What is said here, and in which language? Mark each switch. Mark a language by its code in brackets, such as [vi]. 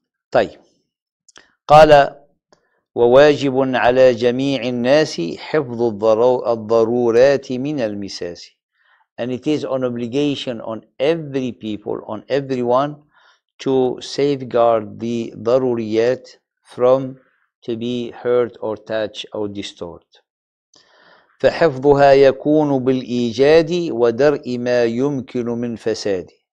[ar] طيب قال وواجب على جميع الناس حفظ الضرورات من المساس. [en] And it is an obligation on every people, on everyone, to safeguard the ضروريات from to be hurt or touched or distorted. [ar] فحفظها يكون بالإيجاد ودرء ما يمكن من فساد.